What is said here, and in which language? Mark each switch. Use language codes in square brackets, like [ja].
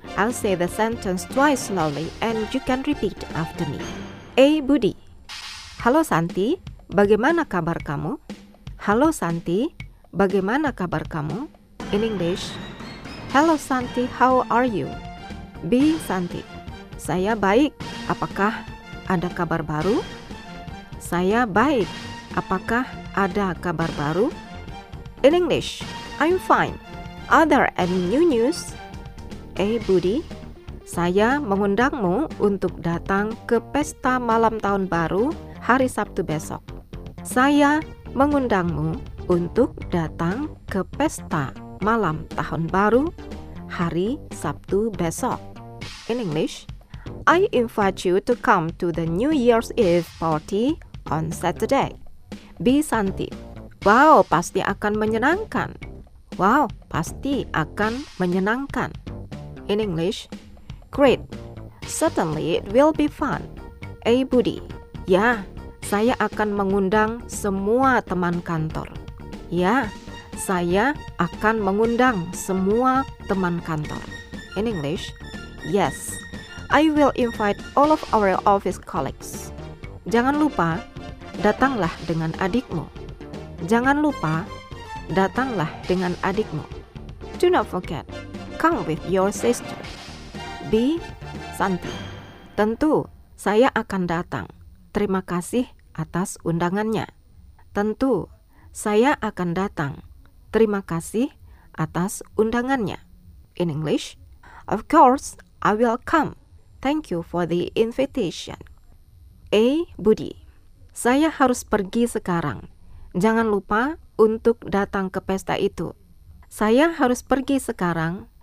[en] I'll say the sentence twice slowly and you can repeat after me. [id] A. Budi. Halo Santi, bagaimana kabar kamu? Halo Santi, bagaimana kabar kamu? [en] In English, hello Santi, how are you? B. Santi. [id] Saya baik, apakah ada kabar baru? Saya baik, apakah ada kabar baru? [en] In English, I'm fine. Are there any new news? A. [id] Budi, saya mengundangmu untuk datang ke pesta malam tahun baru hari Sabtu besok. Saya mengundangmu untuk datang ke pesta malam tahun baru hari Sabtu besok. [en] In English, I invite you to come to the New Year's Eve party on Saturday. B. [id] Santi, wow, pasti akan menyenangkan. Wow, pasti akan menyenangkan. [en] In English, great, certainly it will be fun. A. [id] Budi, ya, saya akan mengundang semua teman kantor. Ya, saya akan mengundang semua teman kantor. [en] In English, yes, I will invite all of our office colleagues. [id] Jangan lupa, datanglah dengan adikmu. Jangan lupa, datanglah dengan adikmu. [en] Do not forget, come with your sister. [id] B. Santi. Tentu, saya akan datang. Terima kasih atas undangannya. Tentu, saya akan datang. Terima kasih atas undangannya. [en] In English, of course, I will come. Thank you for the invitation. A. Budi. [id] Saya harus pergi sekarang. Jangan lupa untuk datang ke pesta itu. Saya harus pergi sekarang.